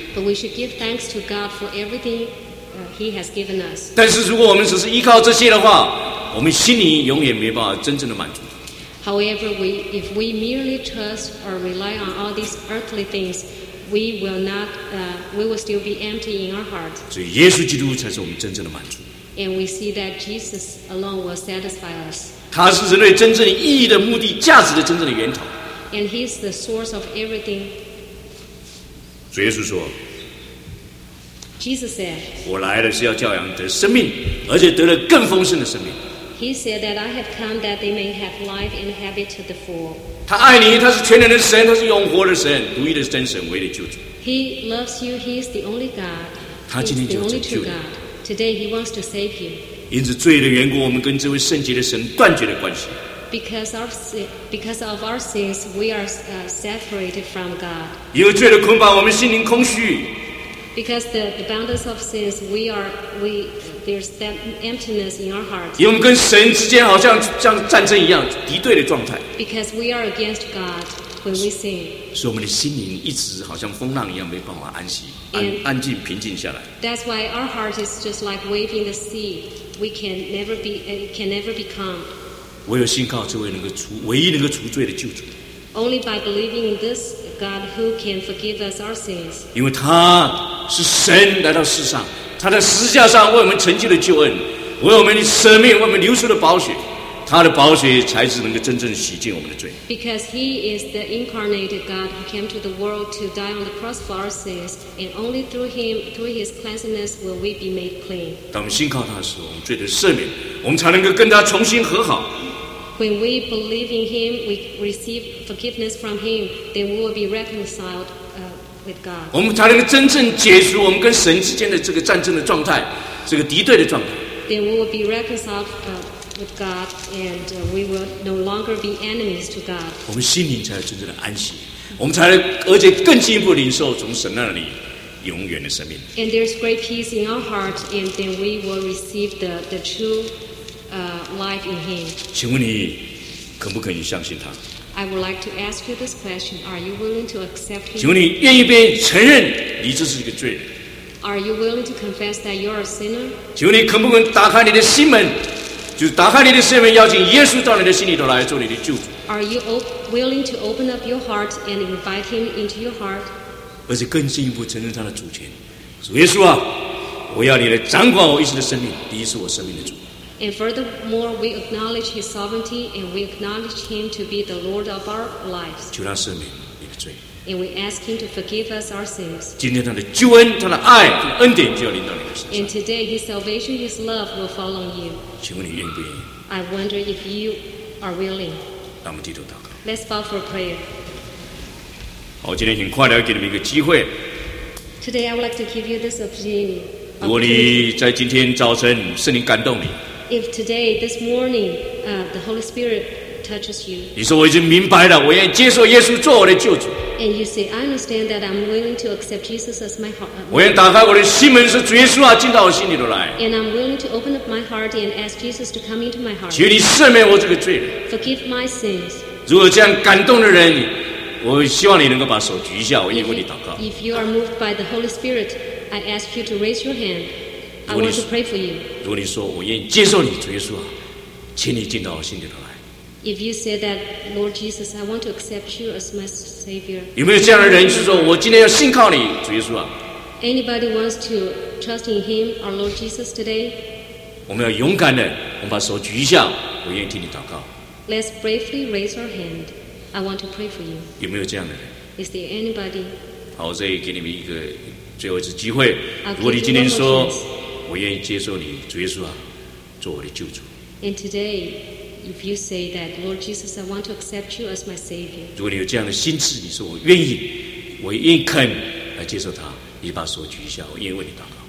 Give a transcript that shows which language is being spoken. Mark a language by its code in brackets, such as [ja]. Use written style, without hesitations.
[en] But we should give thanks to God for everything He has given us. [zh] 但是如果我们只是依靠这些的话，我们心里永远没办法真正的满足。 [en] However, if we merely trust or rely on all these earthly things, we will still be empty in our heart. [zh] 所以耶稣基督才是我们真正的满足。 [en] And we see that Jesus alone will satisfy us. [zh] 他是人类真正意义的目的、价值的真正的源头。 [en] And He's the source of everything. [zh] 主耶稣说 [en] ，Jesus said, [zh] 我来的是要叫羊得生命，而且得了更丰盛的生命。 [en] He said that I have come that they may have life and have it to the full. [zh] 他爱你，他是全能的神，他是永活的神，独一的真神，唯一的救主。 [en] He loves you. He is the only God. [zh] 他今天就拯救你。 [en] Today he wants to save you. [zh] 因此罪的缘故，我们跟这位圣洁的神断绝了关系。 [en] Because of our sins, we are separated from God. [zh] 因为罪的捆绑，我们心灵空虚。 [en] Because the boundaries of sins, there's that emptiness in our heart. [zh] 因为我们跟神之间好像战争一样，敌对的状态。 [en] Because we are against God, when we sing. [zh] 所以我们的心灵一直好像风浪一样没办法安息 安静平静下来。 [en] That's why our heart is just like wave in the sea. We can never be calm. [zh] 唯有信靠这位唯一能够除罪的救主。 [en] Only by believing in this God who can forgive us our sins. [zh] 因为他是神来到世上，他在十字架上为我们成就了救恩，为我们的生命，为我们流出的宝血，他的宝血才是能够真正洗净我们的罪。 [en] Because he is the incarnated God who came to the world to die on the cross for our sins, and only through him, through his cleanliness, will we be made clean. [zh] 当我们信靠他的时候，我们罪得赦免，我们才能够跟他重新和好。 [en] When we believe in him, we receive forgiveness from him, then we will be reconciled, with God. [zh] 我们才能够真正解除我们跟神之间的这个战争的状态，这个敌对的状态。 [en] Then we will be reconciled, with God, and we will no longer be enemies to God. [zh] 我们心灵才有真正的安息，我们才能而且更进一步领受从神那里永远的生命。 [en] And there's great peace in our heart, and then we will receive the true. Life in him. [zh] 请问你肯不肯意相信他？ [en] I would like to ask you this question. Are you willing to accept him? [zh] 请问你愿意被承认你这是一个罪人？ [en] Are you willing to confess that you are a sinner? [zh] 请问你肯不肯打开你的心门，就是打开你的心门，邀请耶稣到你的心里头来做你的救主？ [en] Are you willing to open up your heart and invite him into your heart? [zh] 而且更进一步承认他的主权，主耶稣啊，我要你来掌管我一生的生命，你是我生命的主。 [en] And furthermore, we acknowledge His sovereignty, and we acknowledge Him to be the Lord of our lives. [zh] 求他赦免你的罪。 [en] And we ask Him to forgive us our sins. [zh] 今天他的救恩、他的爱、他的恩典就要临到你的身上。 [en] And today His salvation, His love will fall on you. [zh] 请问你愿不愿意？ [en] I wonder if you are willing. [zh] 让我们低头祷告。 [en] Let's bow for prayer. [zh] 好，今天很快的要给你们一个机会。 [en] Today I would like to give you this opportunity. [zh] 如果你在今天早晨圣灵感动你。 [en] If today, this morning, the Holy Spirit touches you, [zh] 你说我已经明白了，我愿意接受耶稣做我的救主。 [en] And you say, I understand that I'm willing to accept Jesus as my heart. [zh] 我愿打开我的心门，说主耶稣啊，进到我心里头来。 [en] And I'm willing to open up my heart and ask Jesus to come into my heart. [zh] 求你赦免我这个罪人。 [en] Forgive my sins. [zh] 如果这样感动的人，我希望你能够把手举一下，我愿意为你祷告。 [en] If you are moved by the Holy Spirit, I ask you to raise your hand. I want to pray for you. [zh] 如果你说我愿意接受你，主耶稣啊，请你进到我心里头来。 [en] If you say that, Lord Jesus, I want to accept you as my Savior. [zh] 有没有这样的人，就是说我今天要信靠你，主耶稣啊 [en] ？Anybody wants to trust in Him, our Lord Jesus, today? [zh] 我们要勇敢的，我们把手举一下，我愿意替你祷告。 [en] Let's bravely raise our hand. I want to pray for you. [zh] 有没有这样的人 [en] ？Is there anybody? [zh] 好，我再给你们一个最后一次机会。如果你今天说。我愿意接受你，主耶稣啊，做我的救主。 [en] And today, if you say that, Lord Jesus, I want to accept you as my Savior. [zh] 如果你有这样的心智，你说我愿意，我愿意肯来接受他，你把手举一下，我愿意为你祷告。